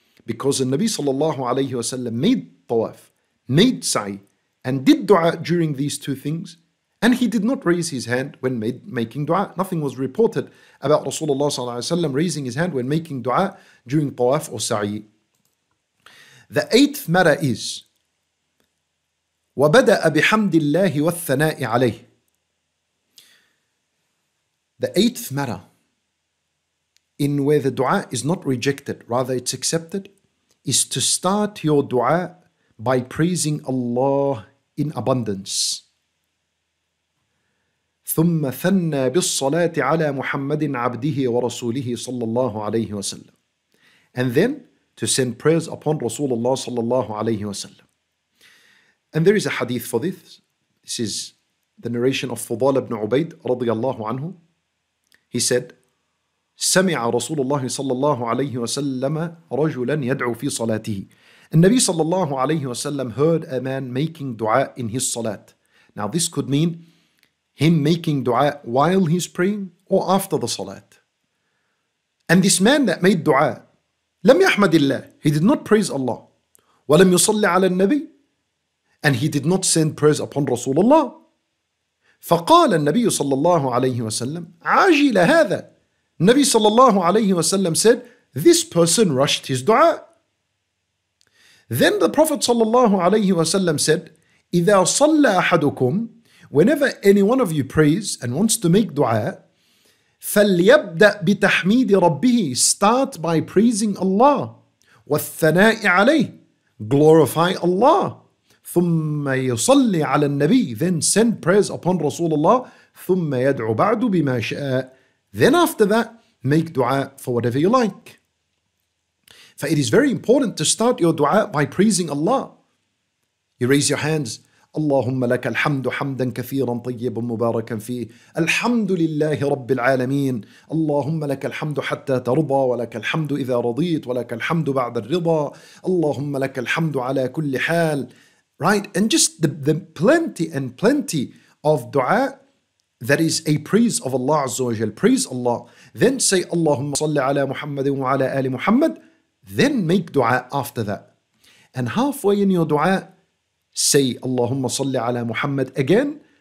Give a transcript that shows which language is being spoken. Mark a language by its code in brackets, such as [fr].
[en] Because the Nabi sallallahu alayhi wa sallam made tawaf, made sa'i, and did dua during these two things. And he did not raise his hand when making dua. Nothing was reported about Rasulullah sallallahu alayhi wa sallam raising his hand when making dua during tawaf or sa'i. The 8th matter is, [ar] وَبَدَأَ بِحَمْدِ اللَّهِ وَالثَّنَاءِ عَلَيْهِ. [en] The 8th matter, in where the dua is not rejected, rather it's accepted, is to start your dua by praising Allah in abundance. [ar] ثُمَّ ثَنَّى بِالصَّلَاةِ عَلَى مُحَمَّدٍ عَبْدِهِ وَرَسُولِهِ صَلَّى اللَّهُ عَلَيْهِ وَسَلَّمُ. [en] And then to send prayers upon Rasulullah sallallahu alayhi wasallam. And there is a hadith for this. This is the narration of Fudal ibn Ubaid radiyallahu anhu. He said, [ar] سَمِعَ رَسُولُ اللَّهِ صَلَّى اللَّهُ عَلَيْهِ وَسَلَّمَ رَجُلًا يَدْعُو فِي صَلَاتِهِ. [en] النبي صلى الله عليه وسلم heard a man making dua in his salat. Now this could mean him making dua while he's praying or after the salat. And this man that made dua, [ar] لم يحمد الله, [en] he did not praise Allah. [ar] وَلَمْ يُصَلِّ عَلَى النَّبِيِّ, [en] and he did not send prayers upon Rasulullah. [ar] فقال النبي صلى الله عليه وسلم عاجل هذا. [en] النبي صلى الله عليه وسلم said, this person rushed his dua. Then the Prophet صلى الله عليه وسلم said, [ar] إذا صلى أحدكم, [en] whenever any one of you prays and wants to make dua, [ar] فليبدأ بتحميد ربه, [en] start by praising Allah. [ar] والثناء عليه, [en] glorify Allah. [ar] ثُمَّ يُصَلِّ عَلَى النَّبِيِّ, [en] then send prayers upon Rasulullah. [ar] ثُمَّ يَدْعُ بَعْدُ بِمَا شَاءَ, [en] then after that, make dua for whatever you like. For it is very important to start your dua by praising Allah. You raise your hands. [ar] اللهم لك الحمد حمدا كثيرا طيبا مباركا فيه الحمد لله رب العالمين اللهم لك الحمد حتى ترضى ولك الحمد إذا رضيت ولك الحمد بعد الرضا اللهم لك الحمد على كل حال. [en] Right, and just the plenty and plenty of dua that is a praise of Allah Azza wa Jal, praise Allah. Then say, [ar] Allahumma salli ala Muhammadin wa ala ali Muhammad. [en] Then make dua after that. And halfway in your dua, say, [ar] Allahumma salli ala Muhammad [en] again.